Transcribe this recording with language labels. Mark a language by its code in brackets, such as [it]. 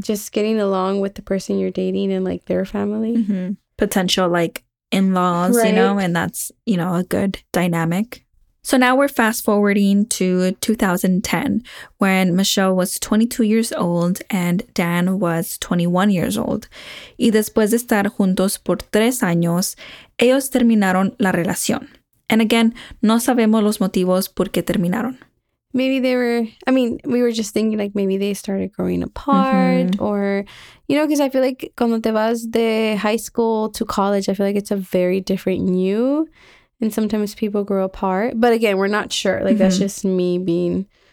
[en] just getting along with the person you're dating and, like, their family. Mm-hmm. Potential, like, in-laws, right. You know, and that's, you know, a good dynamic. So now we're fast forwarding to 2010, when Michelle was 22 years old and Dan was 21 years old. [es] Y después de estar juntos por 3 años, ellos terminaron la relación. [en] And again, [es] no sabemos los motivos por qué terminaron. [en] Maybe they were, I mean, we were just thinking, like, maybe they started growing apart, mm-hmm. or, you know, because I feel like [es] cuando te vas de [en] high school to college, I feel like it's a very different you. And sometimes people grow apart. But again, we're not sure. Like, mm-hmm. that's just me being...